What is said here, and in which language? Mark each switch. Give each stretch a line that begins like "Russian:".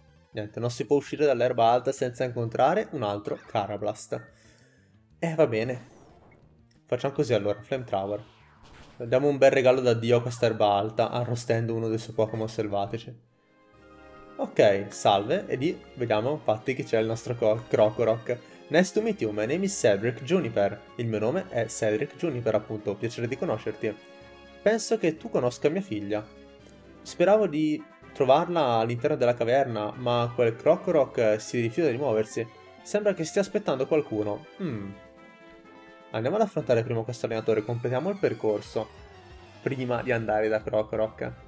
Italian: Niente, non si può uscire dall'erba alta senza incontrare un altro Karrablast. Va bene. Facciamo così allora, Flamethrower. Diamo un bel regalo da Dio a questa erba alta, arrostendo uno dei suoi Pokémon selvatici. Ok, salve. E lì vediamo infatti che c'è il nostro Krokorok.
English: Nice to meet you, my name is Cedric Juniper.
Italian: Il mio nome è Cedric Juniper, appunto. Piacere di conoscerti. Penso che tu conosca mia figlia. Speravo di trovarla all'interno della caverna, ma quel Krokorok si rifiuta di muoversi. Sembra che stia aspettando qualcuno. Andiamo ad affrontare prima questo allenatore, completiamo il percorso prima di andare da Krokorok.